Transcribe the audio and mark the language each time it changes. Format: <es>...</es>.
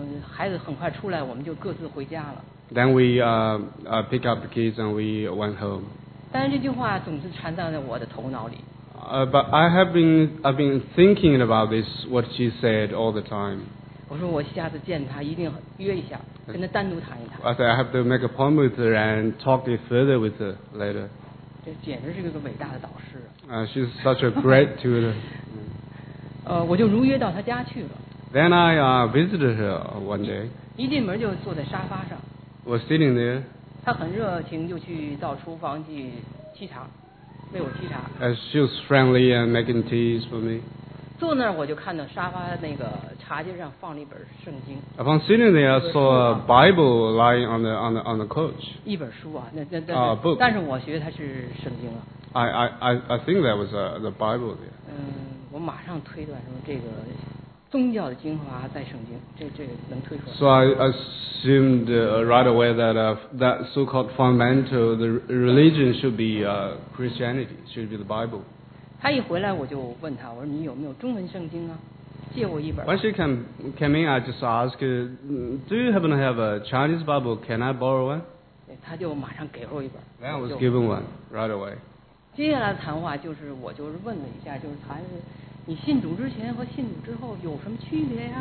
<zh>孩子很快出来，我们就各自回家了。</zh> <en>Then we pick up the kids and we went home.</en> <zh>但是这句话总是缠在我的头脑里。</zh> <en>But I've been thinking about this, what she said all the time.</en> <zh>我说我下次见他一定约一下，跟他单独谈一谈。</zh> <en>I said I have to make a appointment with her and talk further with her later.</en> <zh>这简直是一个伟大的导师。</zh> <en>She's such a great tutor.</en> <zh>我就如约到他家去了。</zh> <en>Then I visited her one day.</en> <zh>一进门就坐在沙发上。</zh> <en>Was sitting there.</en> <zh>他很热情，就去到厨房去沏茶，为我沏茶。</zh> <en>She was friendly and making teas for me.</en> <zh>坐那儿我就看到沙发那个茶几上放了一本圣经。</zh> <en>Upon sitting there, I saw a Bible lying on the couch.</en> <zh>一本书啊，那</zh> <en>啊 book.</en> <zh>但是我觉得它是圣经了。</zh> <en>I think that was the Bible there.</en> <zh>我马上推断说这个宗教的精华在圣经，这能推出。</zh> <en>So I assumed right away that that so-called fundamental the religion should be Christianity, should be the Bible.</en> <zh>他一回来我就问他，我说你有没有中文圣经啊，借我一本。</zh> <en>When she came in, I just asked, do you happen to have a Chinese Bible? Can I borrow one?</en> <zh>他就马上给了我一本。</zh> <en>Then I was given one right away.</en> <zh>接下来的谈话就是我就是问了一下，就是他是你信主之前和信主之后有什么区别呀？</zh>